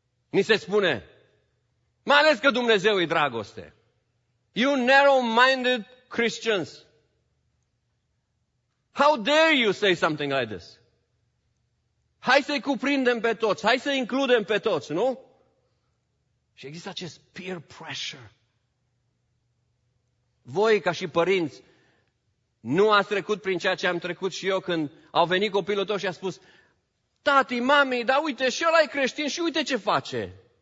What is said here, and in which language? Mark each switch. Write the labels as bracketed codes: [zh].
[ro] Ni se spune, mai ales că Dumnezeu e dragoste. [en] You narrow-minded Christians. How dare you say something like this? [ro] Hai să-i cuprindem pe toți, hai să-i includem pe toți, nu? Și există acest [en] peer pressure. [ro] Voi, ca și părinți, nu ați trecut prin ceea ce am trecut și eu când au venit copilul tău și a spus: tati, mami, dar uite, și ăla e creștin și uite ce face.